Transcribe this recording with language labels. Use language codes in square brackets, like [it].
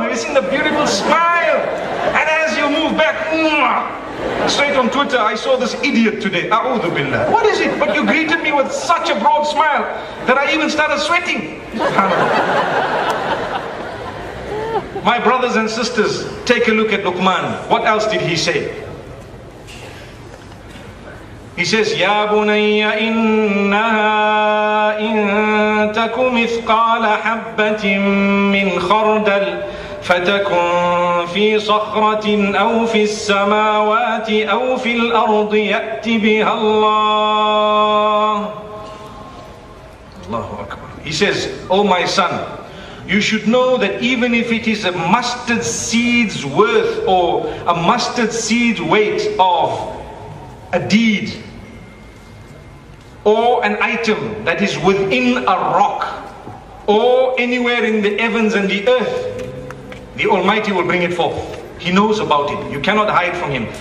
[en] Have you seen the beautiful smile? And as you move back, straight on Twitter, I saw this idiot today. A'udhu billah. What is it? But you greeted me with such a broad smile that I even started sweating. My brothers and sisters, take a look at Luqman. What else did he say? He says, [ar] Ya bunayya innaha in taku mithqala habbatin min khardal فَتَكُنْ فِي صَخْرَةٍ أَوْ فِي السَّمَاوَاتِ أَوْ فِي الْأَرْضِ يَأْتِ بِهَا اللَّهُ. Allahu Akbar. [en] He says, O my son, you should know that even if it is a mustard seed's worth or a mustard seed weight of a deed or an item that is within a rock or anywhere in the heavens and the earth, the Almighty will bring it forth. He knows about it. You cannot hide from him.